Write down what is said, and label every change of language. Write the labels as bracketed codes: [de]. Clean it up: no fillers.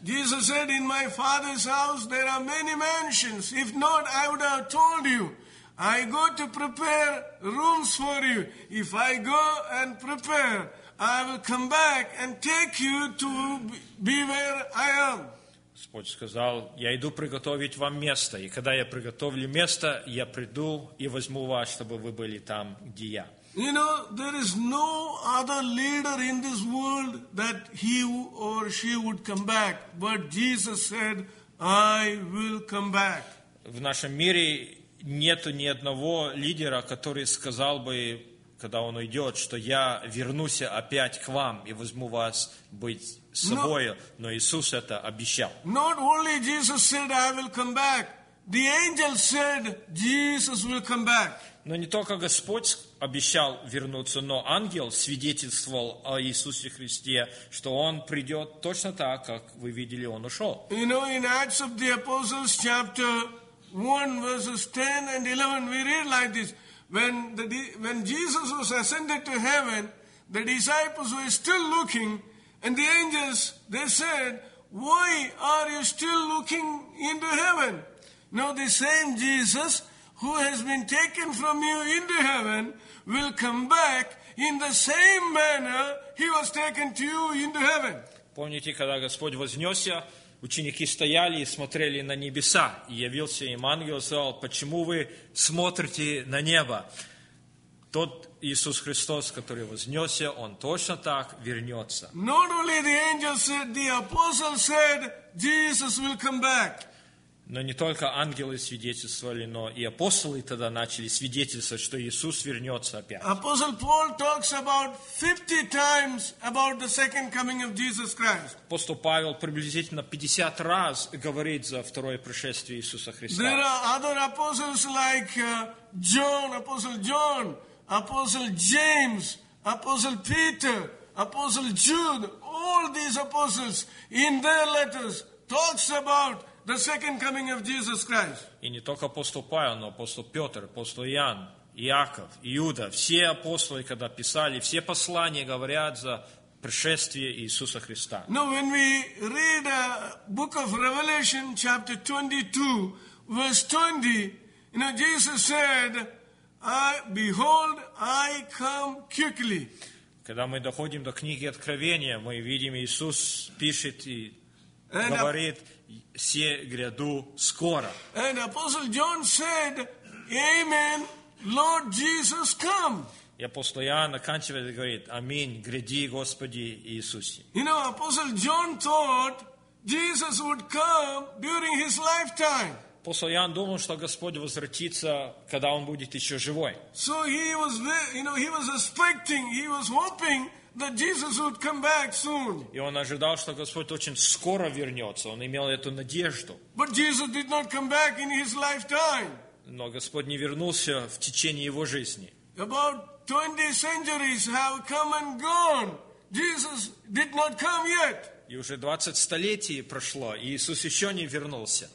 [en] Jesus said, in my Father's house there are many mansions. If not, I would have told you. I go to prepare rooms for you. If I go and prepare, I will come back and take you to be where I am. [ru] Господь сказал, я иду приготовить вам место, и когда я приготовлю место, я приду и возьму вас, чтобы вы были там, где я. [en] You know, there is no other leader in this world that he or she would come back. But Jesus said, I will come back. [ru] В нашем мире нету ни одного лидера, который сказал бы, когда он уйдет, что я вернусь опять к вам и возьму вас быть собою, но Иисус это обещал. [en] Not only Jesus said, I will come back. The angel said, Jesus will come back. [ru] Но не только Господь обещал вернуться, но ангел свидетельствовал о Иисусе Христе, что Он придет точно так, как вы видели, Он ушел. [en] You know, in Acts of the Apostles, chapter 1, verses 10 and 11, we read like this. When Jesus was ascended to heaven, the disciples were still looking. And the angels, they said, why are you still looking into heaven? Now the same Jesus who has been taken from you into heaven will come back In the same manner he was taken to you into heaven. [ru] Помните, когда Господь вознесся, ученики стояли и смотрели на небеса, и явился им ангел и сказал, почему вы смотрите на небо? Тот Иисус Христос, который вознесся, Он точно так вернется. [en] Not only the angels said, the apostles said, Jesus will come back. [ru] Но не только ангелы свидетельствовали, но и апостолы тогда начали свидетельствовать, что Иисус вернется опять. [en] Апостол Paul talks about 50 times about the second coming of Jesus Christ. [ru] Апостол Павел приблизительно 50 раз говорит за второе пришествие Иисуса Христа. [en] There are other apostles like John, Apostle John, Apostle James, Apostle Peter, Apostle Jude, all these apostles in their letters talks about the second coming of Jesus Christ. [ru] И не только апостол Павел, но апостол Петр, апостол Иоанн, Иаков, Иуда, все апостолы, когда писали, все послания говорят за пришествие Иисуса Христа. [en] Now, when we read the book of Revelation, chapter 22, verse 20, you know, Jesus said, behold, I come quickly. [ru] Когда мы доходим до книги Откровения, мы видим, Иисус пишет и говорит, все гряду скоро. [en] And Apostle John said, Amen, Lord Jesus, come. [ru] И апостол Иоанн оканчивает и говорит, Аминь, гряди, Господи Иисусе. [en] You know, Apostle John thought Jesus would come during his lifetime. [ru] Апостол Иоанн думал, что Господь возвратится, когда Он будет еще живой. So he was, you know, he was expecting, he was hoping that Jesus would come back soon. И он ожидал, что Господь очень скоро вернется. Он имел эту надежду. [en] But Jesus did not come back in his lifetime. [ru] Но Господь не вернулся в течение его жизни. [en] About 20 centuries have come and gone. Jesus did not come yet. [ru] И уже 20 столетий прошло, и Иисус еще не вернулся.